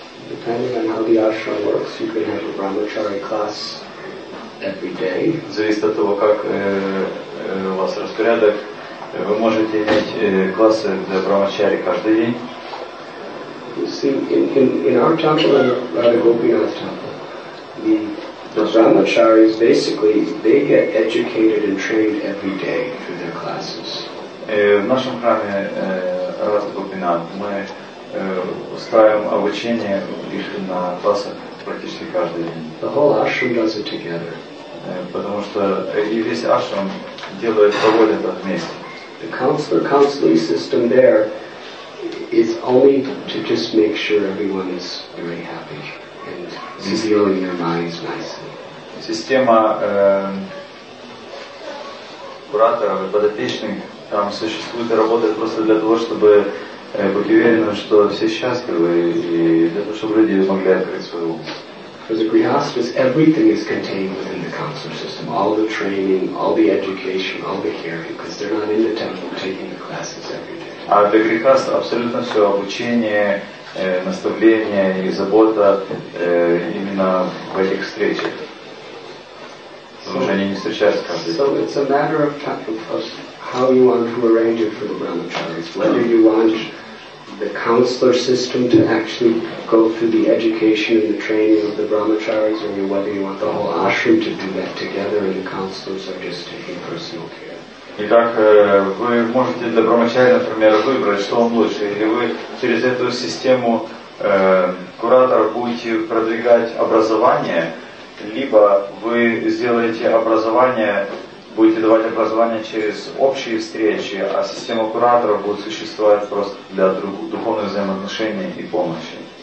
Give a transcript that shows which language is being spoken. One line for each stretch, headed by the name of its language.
English: depending on how the ashram works, you can have a brahmachari class every day.
Russian: Зависит от того, как у вас распорядок, вы можете иметь классы для брахмачари каждый день.
English: You see, in our temple, in Radhagopinath temple, the brahmacharis basically they get educated and trained every day through their classes.
Russian: В нашем храме Радхагопинат мы устраиваем обучение их на классах практически каждый день.
English: The whole ashram does it together.
Russian: Потому что и весь ашрам делает, проводит это вместе.
English: The counselor-counselee system there is only to just make sure everyone is very happy and revealing their minds nicely.
Russian: Система кураторов и подопечных там существует и работает просто для того, чтобы быть уверенным, что все счастливы, и для того, чтобы люди могли открыть свой ум.
English: For the grihastas, everything is contained within the counselor system. All the training, all the education, all the care, because they're not in the temple taking the classes every day.
Russian: А для грихаста абсолютно все обучение, наставление и забота именно в этих встречах.
English: So it's a matter of how you want to arrange it for the brahmacharis. Whether you want the counselor system to actually go through the education and the training of the brahmacharis, or whether you want the whole ashram to do that together and the counselors are just taking personal care.
Russian: Итак, вы можете для брамачари, например, выбрать, что вам лучше. Или вы через эту систему кураторов будете продвигать образование, либо вы сделаете образование, будете давать образование через общие встречи, а система кураторов будет существовать просто для духовных взаимоотношений и помощи.